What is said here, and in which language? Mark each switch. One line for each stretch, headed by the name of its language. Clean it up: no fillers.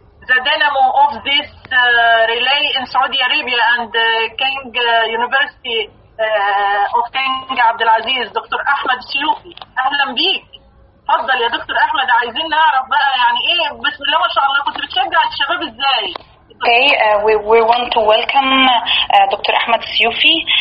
English: The dynamo of this relay in Saudi Arabia and King University of King Abdulaziz, Dr.
Arabic: Ahmed Siyufi. أهلا بيك. تفضل يا دكتور أحمد. عايزين نعرف بقى يعني إيه بسم الله ما شاء الله كنت بتشجع الشباب إزاي؟
English: Okay, we want to welcome Dr. Ahmed Siyufi.